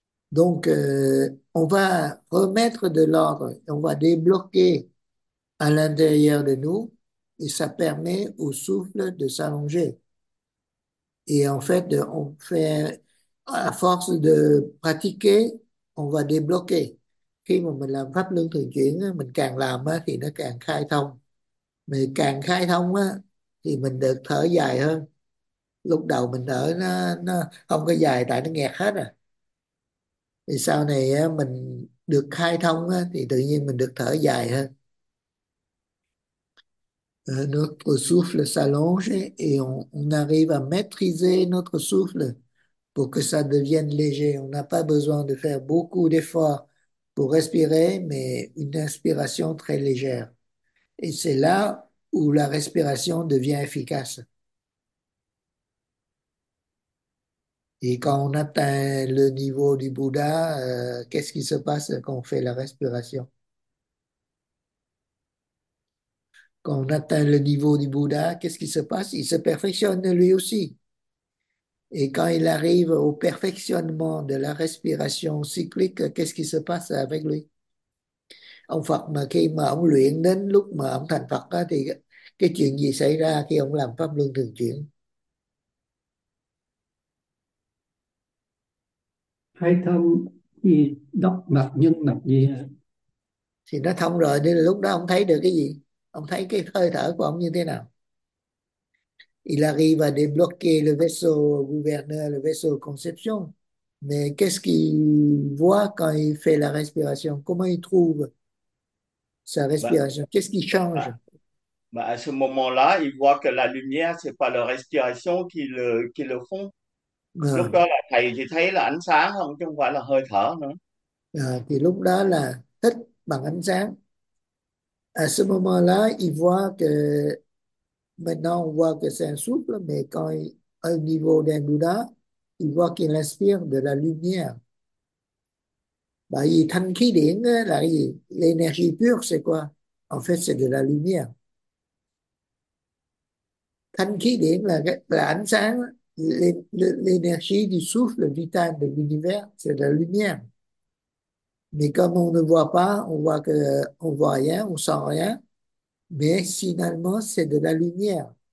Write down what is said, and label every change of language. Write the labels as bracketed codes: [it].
[fr] Donc, on va remettre de l'ordre, on va débloquer à l'intérieur de nous et ça permet au souffle de s'allonger. Et en fait, on fait, à force de pratiquer, on va débloquer. [vi] Khi mà mình làm pháp luân thường chuyển, mình càng làm á, thì nó càng khai thông. Mình càng khai thông á, thì mình được thở dài hơn. Lúc đầu mình thở nó không có dài tại nó nghẹt hết à. Thì sau này á, mình được khai thông á, thì tự nhiên mình được thở dài hơn. [fr] Notre souffle s'allonge et on arrive à maîtriser notre souffle pour que ça devienne léger. On n'a pas besoin de faire beaucoup d'efforts pour respirer, mais une inspiration très légère. Et c'est là où la respiration devient efficace. Et quand on atteint le niveau du Bouddha, qu'est-ce qui se passe quand on fait la respiration? Quand on atteint le niveau du Bouddha, qu'est-ce qui se passe? Il se perfectionne lui aussi. Et quand il arrive au perfectionnement de la respiration cyclique, qu'est-ce qui se passe avec lui? [vi] Ông Phật mà khi mà ông luyện đến lúc mà ông thành Phật đó, thì cái chuyện gì xảy ra khi ông làm pháp luân thường chuyển? Hay thông thì đọc mặt nhân mặt gì hả? Thì nó thông rồi, nên là lúc đó ông thấy được cái gì? Ông thấy cái hơi thở của ông như thế nào? [fr] Il arrive à débloquer le vaisseau gouverneur, le vaisseau conception. Mais qu'est-ce qu'il voit quand il fait la respiration? Comment il trouve sa respiration? Qu'est-ce qui change? Bah à ce moment-là, il voit que la lumière, c'est pas la respiration qui le font. [vi] Lúc À. đó là thầy chỉ thấy là ánh sáng không, chứ không phải là hơi thở nữa. À, thì lúc đó là thích bằng ánh sáng. [fr] À ce moment-là, il voit que maintenant on voit que c'est un souffle, mais quand il est au niveau d'un Bouddha, il voit qu'il inspire de la lumière. [vi] Bah, il thanh khí điển là gì? [fr] L'énergie pure, c'est quoi? En fait, c'est de la lumière. [vi] Thanh khí điển là ánh sáng, [fr] l'énergie du souffle vital de l'univers, c'est de la lumière. Mais comme on ne voit pas, on voit que on voit rien, on sent rien, mais finalement c'est de la lumière.